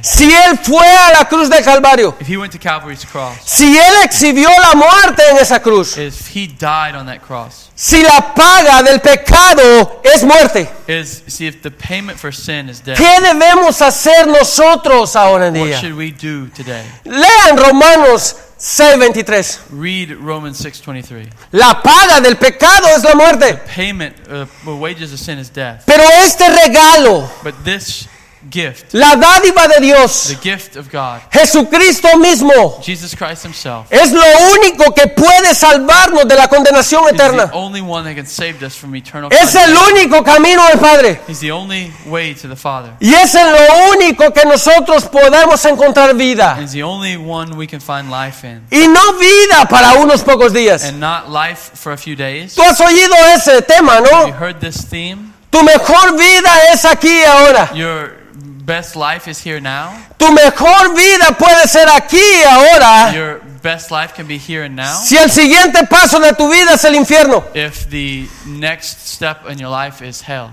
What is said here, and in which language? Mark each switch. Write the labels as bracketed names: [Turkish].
[Spanish] si Él fue a la cruz de Calvario, [English] if he went to Calvary's cross, [Spanish] si Él exhibió la muerte en esa cruz, [English] if he died on that cross, [Spanish] si la paga del pecado es muerte, [English] see if the payment for sin is death, [Spanish] ¿qué debemos hacer nosotros ahora en día? [English] What should we do today? [Spanish] Lean Romanos 6:23. [English] Read Romans 6:23. [Spanish] La paga del pecado es la muerte. [English] The payment, the wages of sin is death. [Spanish] Pero este regalo, [English] but this gift, [Spanish] la dádiva de Dios, [English] the gift of God, [Spanish] Jesucristo mismo, [English] Jesus Christ himself, [Spanish] es lo único que puede salvarnos de la condenación eterna. [English] Is the only one that can save us from eternal [Spanish] es el único camino al Padre. [English] He's the only way to the Father. [Spanish] Y es el único que nosotros podemos encontrar vida. [English] He's the only one we can find life in. [Spanish] Y no vida para unos pocos días. [English] And not life for a few days. [Spanish] Tú has oído ese tema, ¿no? [English] Have you heard this theme? [Spanish] Tu mejor vida es aquí y ahora. [English] Your best life is here now. [Spanish] Tu mejor vida puede ser aquí y ahora. [English] Your best life can be here and now. [Spanish] Si el siguiente paso de tu vida es el infierno. [English] If the next step in your life is hell.